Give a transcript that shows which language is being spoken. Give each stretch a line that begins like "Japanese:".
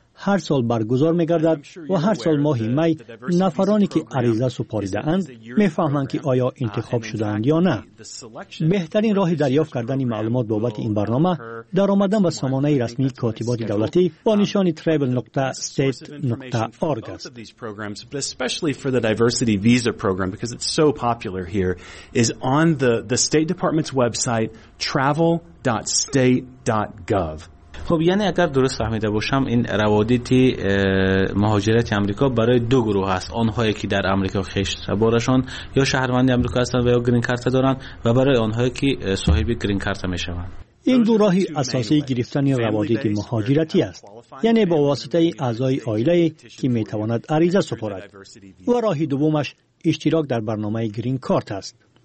Persian: هر سال برگزار میگردد و هر سال ماهی می نفرانی که عریضه سپاریده اند می فهمند که آیا انتخاب شده اند یا نه. بهترین راه دریافت کردن معلومات بابت این برنامه در آمدن به سامانه رسمی کاتبات دولتی با نشان travel.state.org است.
English: But especially for the diversity visa program because it's so popular here is on the State Department's website travel.state.gov.
Persian: خب یعنی اگر درست فهمیده باشم این روادید مهاجرت آمریکا برای دو گروه است، آنهایی که در آمریکا خشت بارشان یا شهروند آمریکا هستند و یا گرین کارت دارند و برای آنهایی که صاحب گرین کارت می شوند. این دو راهی اساسی گرفتن روادید مهاجرتی است، یعنی با واسطه اعضای آیله که می تواند عریضه سپارد، و راه دومش اشتراک در برنامه گرین کارت است.